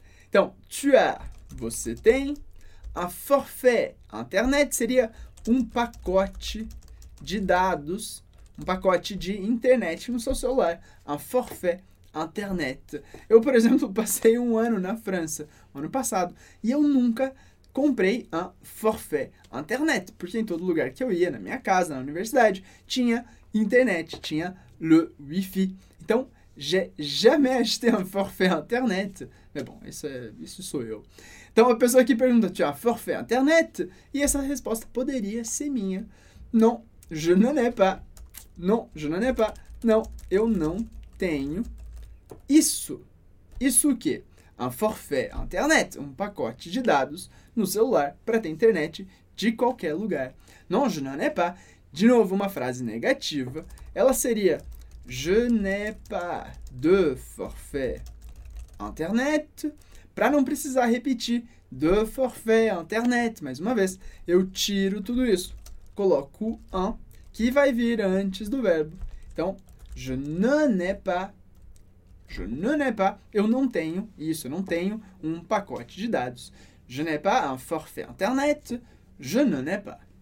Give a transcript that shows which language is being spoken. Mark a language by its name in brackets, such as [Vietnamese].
[Portuguese] Então, [French] tu as, [Portuguese] você tem, [French] un forfait internet [Portuguese] seria um pacote de dados, um pacote de internet no seu celular. [French] Un forfait internet. [Portuguese] Eu, por exemplo, passei um ano na França, ano passado, e eu nunca comprei [French] un forfait internet, [Portuguese] porque em todo lugar que eu ia, na minha casa, na universidade, tinha internet, tinha [French] le wifi. [Portuguese] Então, [French] j'ai jamais acheté un forfait internet. [Portuguese] Mas bom, isso sou eu. Então, a pessoa que pergunta, [French] tu as un forfait internet? [Portuguese] E essa resposta poderia ser minha. [French] Non, je n'en ai pas. Non, je n'en ai pas. [Portuguese] Não, eu não tenho isso. Isso o quê? [French] Un forfait internet, [Portuguese] um pacote de dados no celular para ter internet de qualquer lugar. [French] Non, je n'en ai pas. [Portuguese] De novo, uma frase negativa. Ela seria, [French] je n'ai pas de forfait internet. [Portuguese] Para não precisar repetir, [French] de forfait internet. [Portuguese] Mais uma vez, eu tiro tudo isso. Coloco un, que vai vir antes do verbo. Então, [French] je n'en ai pas. Je n'en ai pas, [Portuguese] eu não tenho isso, eu não tenho um pacote de dados. [French] Je n'ai pas un forfait internet, je n'en ai pas.